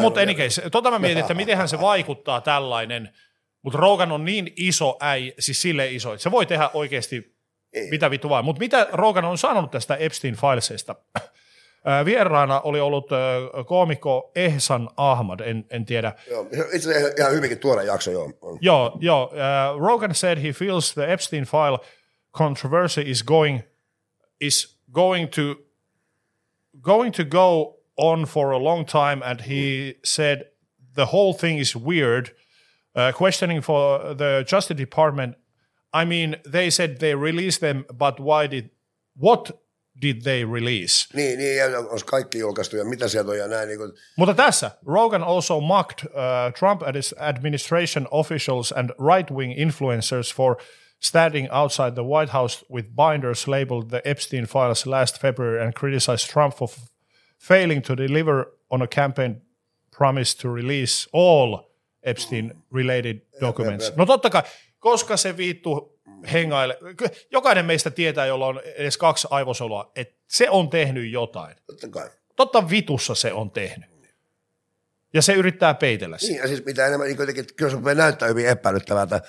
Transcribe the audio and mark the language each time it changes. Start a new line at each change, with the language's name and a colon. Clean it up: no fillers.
Finnish: mutta enikäis, mä mietin, että mitenhän se vaikuttaa tällainen, mutta Rogan on niin iso siis sille iso, että se voi tehdä oikeasti mitä vittu vaan. Mutta mitä Rogan on sanonut tästä Epstein Filesista? Vieraana oli ollut koomikko Ehsan Ahmad, en tiedä. Joo, itse asiassa ihan hyvinkin tuore jakso, joo.
English: Joo, Rogan said he feels the Epstein file controversy is going to go on for a long time, and he said the whole thing is weird, questioning for the Justice Department. I mean, they said they released them, but what did they release?
Finnish: Niin, on kaikki julkaistu ja mitä sieltä on ja näin. Niin. Mutta tässä,
English: Rogan also mocked Trump and his administration officials and right-wing influencers for standing outside the White House with binders labeled the Epstein files last February and criticized Trump for failing to deliver on a campaign promise to release all Epstein-related documents.
Finnish: No totta kai, koska se viittu hengaile. Jokainen meistä tietää, jolla on edes kaksi aivosolua, että se on tehnyt jotain. Totta kai. Totta vitussa se on tehnyt. Ja se yrittää peitellä sitä. Niin, ja siis mitä enemmän, niin kuitenkin, kyllä se näyttää hyvin epäilyttävältä.